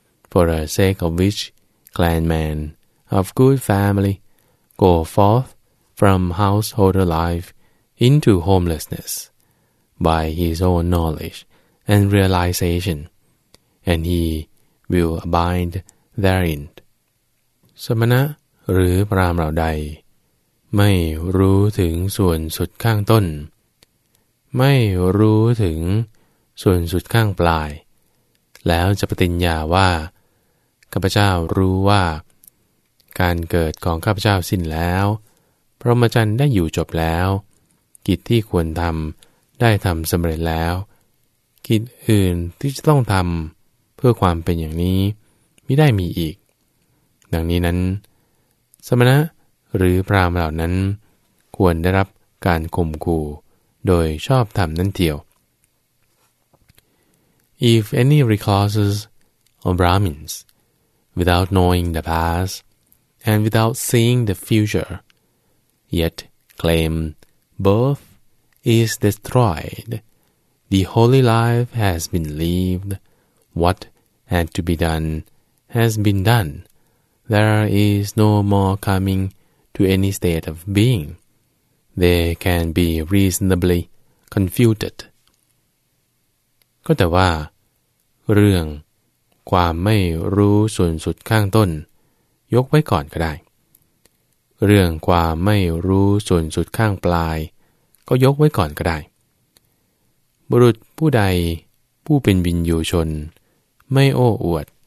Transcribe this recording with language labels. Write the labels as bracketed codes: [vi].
[en] for the sake of which clan men of good family go forthFrom householder life into homelessness, by his own knowledge and realization, and he will abide therein. [th] สมณะหรือพราหมณ์เหล่าใดไม่รู้ถึงส่วนสุดข้างต้นไม่รู้ถึงส่วนสุดข้างปลายแล้วจะปฏิญญาว่าข้าพเจ้ารู้ว่า การเกิดของข้าพเจ้าสิ้นแล้วพรหมจรรย์ได้อยู่จบแล้วกิจที่ควรทำได้ทำสำเร็จแล้วกิจอื่นที่จะต้องทำเพื่อความเป็นอย่างนี้ไม่ได้มีอีกดังนี้นั้นสมณะหรือพราหมณ์เหล่านั้นควรได้รับการข่มขู่โดยชอบธรรมนั่นเดียว [en] If any recluses or Brahmins without knowing the past and without seeing the futureYet claim birth is destroyed, the holy life has been lived, what had to be done has been done, there is no more coming to any state of being, they can be reasonably confuted. [th] ก็แต่ว่าเรื่องความไม่รู้ส่วนสุดข้างต้นยกไว้ก่อนก็ได้เรื่องความไม่รู้ส่วนสุดข้างปลายก็ยกไว้ก่อนก็ได้บุรุษผู้ใดผู้เป็นวินยูชนไม่โอ้อวด